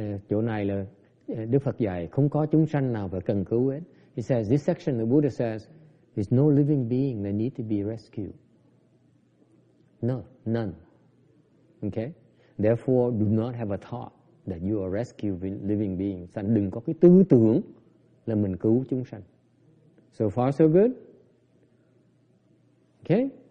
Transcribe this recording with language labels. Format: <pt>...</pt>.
<vi>Chỗ này là Đức Phật dạy không có chúng sanh nào phải cần cứu hết.</vi> <en>He says this section the Buddha says there's no living being that need to be rescued. No, none. Okay? Therefore, do not have a thought that you are rescuing living beings.</en> <vi>Sanh đừng có cái tư tưởng là mình cứu chúng sanh.</vi> <en>So far, so good. Okay.</en>